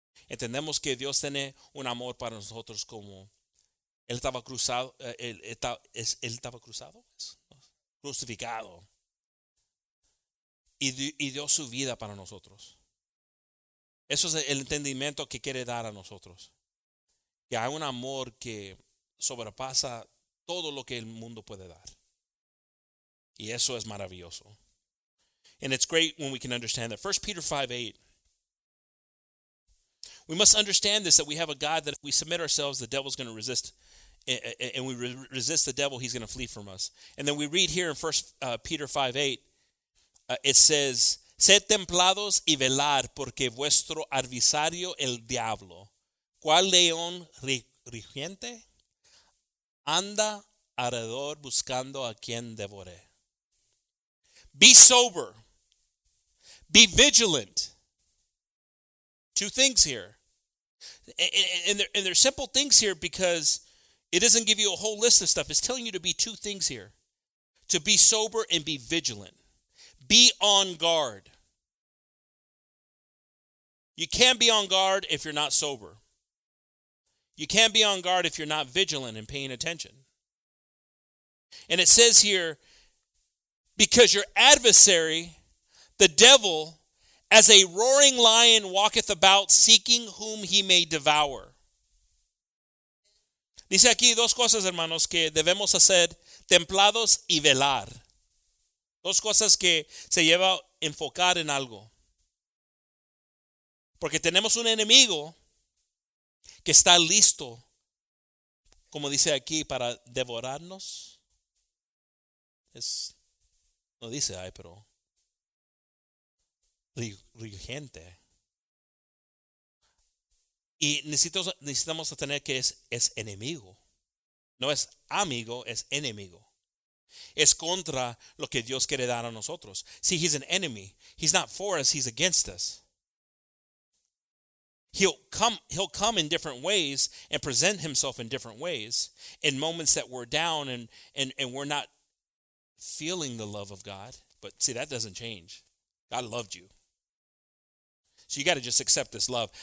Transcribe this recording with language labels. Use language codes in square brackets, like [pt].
[es] Entendemos que Dios tiene un amor para nosotros como él estaba cruzado, crucificado. Y dio su vida para nosotros. Eso es el entendimiento que quiere dar a nosotros. Que hay un amor que sobrepasa todo lo que el mundo puede dar. Y eso es maravilloso. [en] And it's great when we can understand that. 1 Peter 5:8. We must understand this, that we have a God that if we submit ourselves, the devil's going to resist. And we resist the devil, he's going to flee from us. And then we read here in 1 Peter 5:8. It says, [es] sed templados y velad, porque vuestro adversario, el diablo, cual león rugiente, anda alrededor buscando a quien devore. [en] Be sober. Be vigilant. Two things here. And they're simple things here because it doesn't give you a whole list of stuff. It's telling you to be two things here. To be sober and be vigilant. Be on guard. You can't be on guard if you're not sober. You can't be on guard if you're not vigilant and paying attention. And it says here, because your adversary, the devil, as a roaring lion walketh about seeking whom he may devour. [es] Dice aquí dos cosas, hermanos, que debemos hacer, templados y velar. Dos cosas que se lleva a enfocar en algo. Porque tenemos un enemigo que está listo, como dice aquí, para devorarnos. No dice, ay, pero... rugiente. Y necesitamos tener que es enemigo. No es amigo, es enemigo. Es contra lo que Dios quiere dar a nosotros. [en] See, he's an enemy. He's not for us, he's against us. He'll come in different ways and present himself in different ways in moments that we're down and we're not feeling the love of God. But see, that doesn't change. God loved you. So you got to just accept this love.